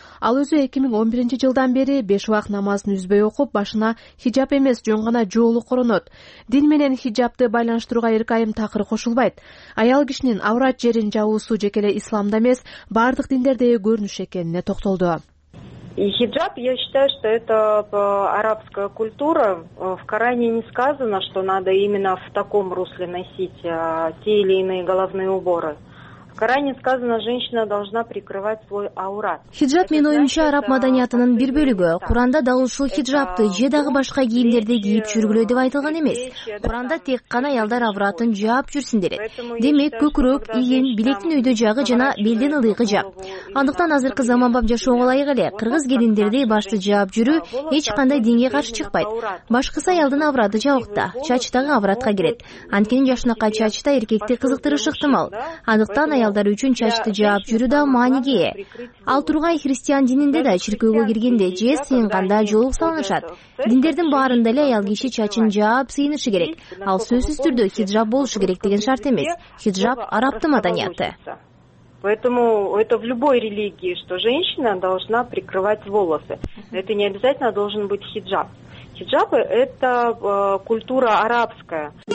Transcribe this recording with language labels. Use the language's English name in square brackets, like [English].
[Kyrgyz] Ал өзү 2011 жылдан бери беш убак намазын үзбөй окуп, башына хижап эмес, жөн гана жоолук коронот. Дин менен хижапты байланыштырууга Эркайым такыр кошулбайт. Аял кишинин аурат жерин жабуусу жеке эле исламда эмес, бардык диндердеги көрүнүш экенине токтолду. [Russian] И хиджаб, я считаю, что это арабская культура. В Коране не сказано, что надо именно в таком русле носить те или иные головные уборы. В Коране сказано, женщина должна прикрывать свой аурат. [Kyrgyz] Хиджаб, менин оюмча, араб маданиятынын бир бөлүгү. Куранда дал ушул хиджабты же дагы башка кийимдерди кийип жүргүлө деп айтылган эмес. Куранда тек гана аялдар авратын жаап жүрсүндөр. Демек, көкүрөк, ийин, билектин өйдө жагы жана белден ылдыгы жаап. Андыктан азыркы заманбап жашоого ылайык эле кыргыз келиндерди башты жаап жүрүү эч кандай динге каршы чыкпайт. Башкысы аялдын авраты жабык да, чачы дагы авратка кирет. Анткени жашынакай чачы да эркекти кызыктырышы ыктымал. Андыктан аялдар үчүн чачты жаап жүрүү да мааниге ээ. Ал тургай христиан дининде да чиркөөгө киргенде же сыйынганда жоолук салынышат. Диндердин баарында эле аял киши чачын жаап сыйынышы керек. Ал сөзсүз түрдө хиджаб болушу керек деген шарт эмес. Хиджаб арабтын маданияты. [Russian] Поэтому это в любой религии, что женщина должна прикрывать волосы. Это не обязательно должен быть хиджаб. Хиджабы – это культура арабская.